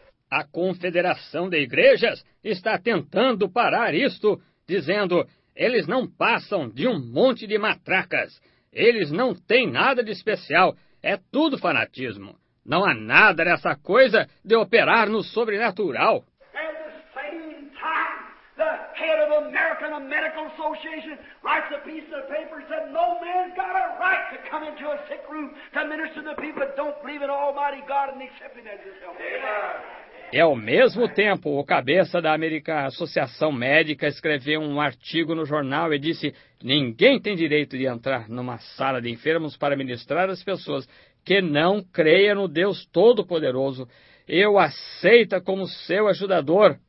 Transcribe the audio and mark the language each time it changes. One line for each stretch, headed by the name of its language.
Portuguese: A confederação de igrejas está tentando parar isto, dizendo, eles não passam de um monte de matracas. Eles não têm nada de especial. É tudo fanatismo. Não há nada nessa coisa de operar no sobrenatural.
English: At the same time, the head of American Medical Association writes a piece of paper said, no man's got a right to come into a sick room to minister to the people that don't believe in Almighty God and accept him as his helper.
Portuguese: E ao mesmo tempo, o cabeça da American Associação Médica escreveu um artigo no jornal e disse, ninguém tem direito de entrar numa sala de enfermos para ministrar às pessoas que não creiam no Deus Todo-Poderoso. Eu aceita como seu ajudador.